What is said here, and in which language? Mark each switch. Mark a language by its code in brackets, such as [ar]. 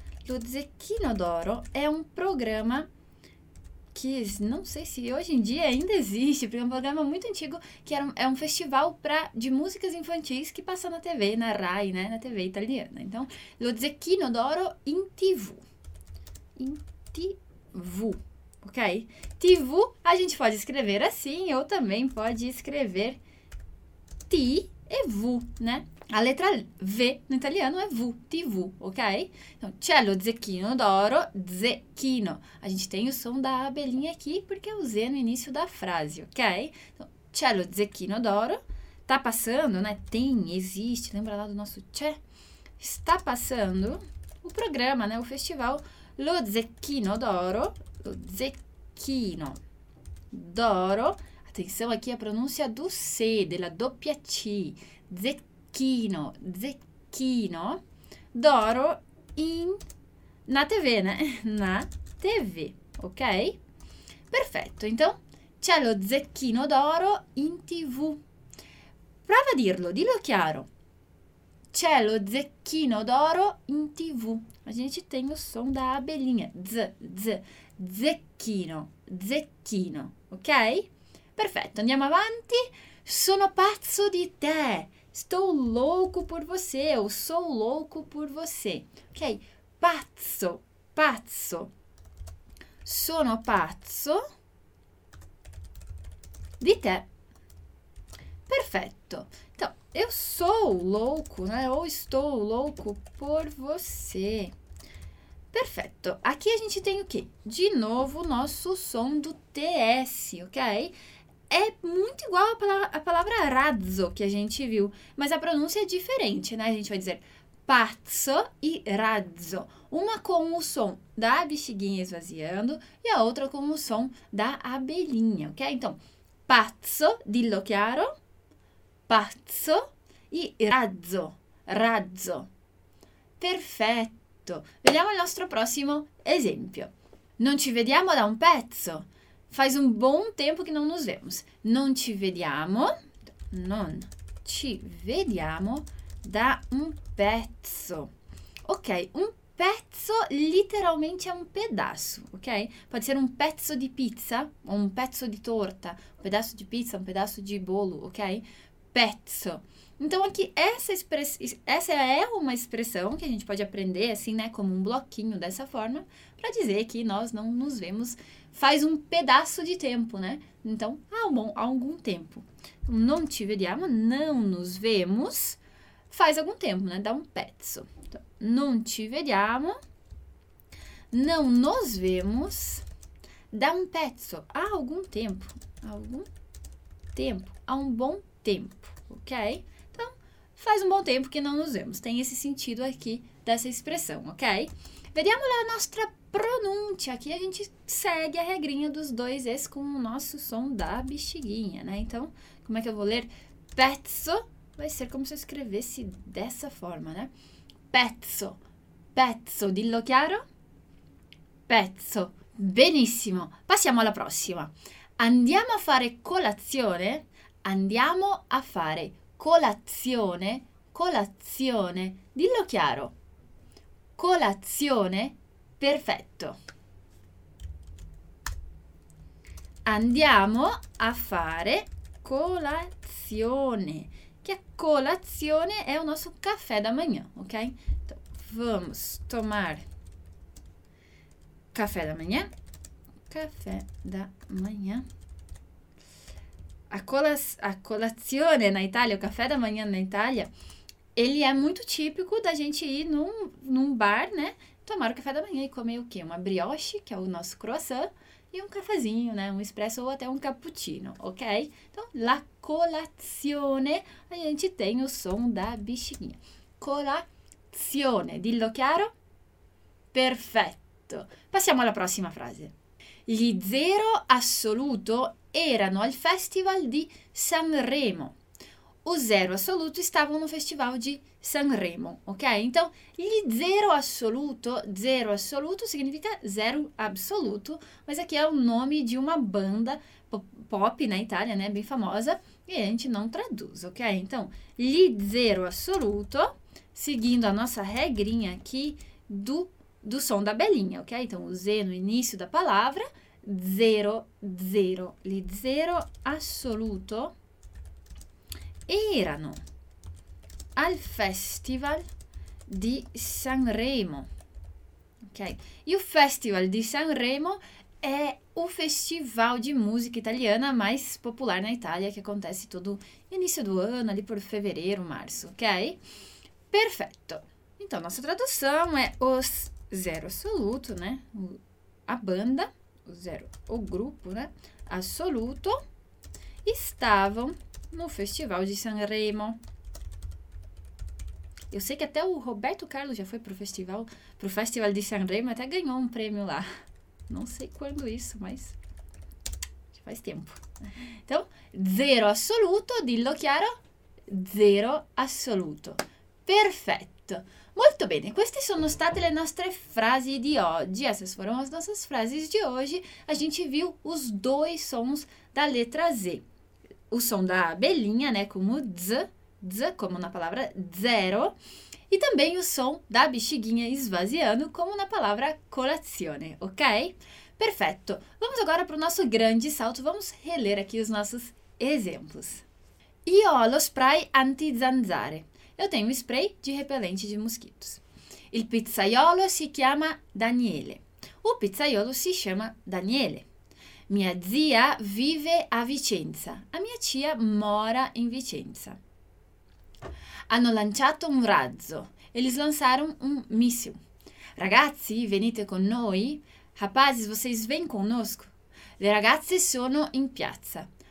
[it] Lo zecchino d'oro è un programma che non so se oggi [pt] in dia ainda [it] esiste, perché è un programma molto antico, che è un festival di musiche infantili che passa [pt] na TV, na Rai, né? Na TV italiana. [it] Então, lo zecchino d'oro in TV. In TV, ok? [pt] TV a gente pode escrever assim, ou também pode escrever ti e vu, né? A letra V no italiano é V, TV, ok? [it] Então, c'è lo zecchino d'oro, zecchino. [pt] A gente tem o som da abelhinha aqui, porque é o Z no início da frase, ok? Então, [it] c'è lo zecchino d'oro, [pt] tá passando, né? Tem, existe, lembra lá do nosso c'è? Está passando o programa, né? O festival [it] lo zecchino d'oro, lo zecchino d'oro. [pt] Atenção aqui, a pronúncia do C, [it] della doppia T, [pt] zecchino. [it] Zecchino, zecchino d'oro in na TV, né? [pt] Na TV, ok? Perfetto, então [it] c'è lo zecchino d'oro in TV. Prova a dirlo, dillo chiaro. C'è lo zecchino d'oro in TV. [pt] A gente tem o som da abelhinha. [it] Z, z, zecchino, zecchino, ok? Perfetto, andiamo avanti. Sono pazzo di te. [pt] Estou louco por você, eu sou louco por você. [it] Ok, pazzo, pazzo. Sono pazzo di te. Perfetto. [pt] Então, eu sou louco, né? Ou estou louco por você. Perfetto. Aqui a gente tem o quê? De novo, nosso som do TS, ok? É muito igual a palavra razzo que a gente viu, mas a pronúncia é diferente, né? A gente vai dizer pazzo e razzo. Uma com o som da bexiguinha esvaziando e a outra com o som da abelhinha, ok? Então, pazzo, [it] dillo chiaro, [pt] pazzo e razzo, razzo. [it] Perfetto. Vediamo il nostro prossimo esempio. Non ci vediamo da un pezzo. [pt] Faz um bom tempo que não nos vemos. [it] Non ci vediamo. Non ci vediamo da un pezzo. [pt] Ok, un pezzo literalmente é um pedaço, ok? Pode ser um [it] pezzo di pizza, [pt] ou um [it] pezzo di torta, [pt] um pedaço de pizza, um pedaço de bolo, ok? Pezzo. Então, aqui, essa é uma expressão que a gente pode aprender, assim, né? Como um bloquinho dessa forma, para dizer que nós não nos vemos faz um pedaço de tempo, né? Então, há algum tempo. [it] Non ci vediamo, [pt] não nos vemos, faz algum tempo, né? Dá um pezzo. Então, [it] non ci vediamo, [pt] não nos vemos, dá um pezzo. Há algum tempo, há um bom tempo, ok? Faz um bom tempo que não nos vemos. Tem esse sentido aqui dessa expressão, ok? [it] Vediamo la nostra [pt] pronúncia. Aqui a gente segue a regrinha dos dois es com o nosso som da bexiguinha, né? Então, como é que eu vou ler? Pezzo vai ser como se eu escrevesse dessa forma, né? [it] Pezzo. Pezzo, dillo chiaro? Pezzo. Benissimo. Passiamo alla prossima. Andiamo a fare colazione? Andiamo a fare colazione? Colazione. Dillo chiaro. Colazione? Perfetto. Andiamo a fare colazione. Che colazione è il nostro caffè [pt] da manhã, [it] ok? [pt] Então, vamos tomar café da manhã. Café da manhã. A colazione na Itália, o café da manhã na Itália, ele é muito típico da gente ir num bar, né? Tomar o café da manhã e comer o quê? Uma brioche, que é o nosso croissant, e um cafezinho, né? Um espresso ou até um cappuccino, ok? Então, [it] la colazione, [pt] a gente tem o som da bexiguinha. [it] Colazione, dillo chiaro? Perfetto. Passiamo alla prossima frase. Gli zero assoluto erano al Festival di Sanremo. [pt] O [it] zero assoluto stavano [pt] no Festival di Sanremo, ok? Então, gli zero assoluto significa zero absoluto, mas aqui é o nome de uma banda pop na Itália, né? Bem famosa, e a gente não traduz, ok? Então, gli zero assoluto, seguindo a nossa regrinha aqui do som da belinha, ok? Então, o Z no início da palavra, zero, zero. Gli zero assoluto erano al Festival di Sanremo. Ok? E o Festival di Sanremo è o festival de música italiana mais popular na Itália, que acontece todo início do ano, ali por fevereiro, março, ok? Perfeito. Então, nossa tradução é os zero assoluto, né? A banda, o zero, o grupo, né? Assoluto, estavam no Festival de Sanremo. Eu sei que até o Roberto Carlos já foi pro Festival de Sanremo, até ganhou um prêmio lá. Não sei quando isso, mas já faz tempo. [it] Então, zero assoluto, dillo chiaro, zero assoluto. Perfetto. Molto bene, queste sono state le nostre frasi di oggi. [pt] Essas foram as nossas frases de hoje. A gente viu os dois sons da letra Z. O som da abelhinha, né? Como z, como na palavra zero. E também o som da bexiguinha esvaziando, como na palavra colazione, ok? Perfetto. Vamos agora para o nosso grande salto. Vamos reler aqui os nossos exemplos. [it] Io ho lo spray anti-zanzare. [pt] Eu tenho spray de repelente de mosquitos. [it] Il pizzaiolo si chiama Daniele. O pizzaiolo si chiama Daniele. Mia zia vive a Vicenza. [pt] A mia tia mora [it] in Vicenza. Hanno lanciato un razzo. [pt] Eles lançaram um míssil. [it] Ragazzi, venite con noi. [pt] Rapazes, vocês vêm conosco? [it] Le ragazze sono in piazza.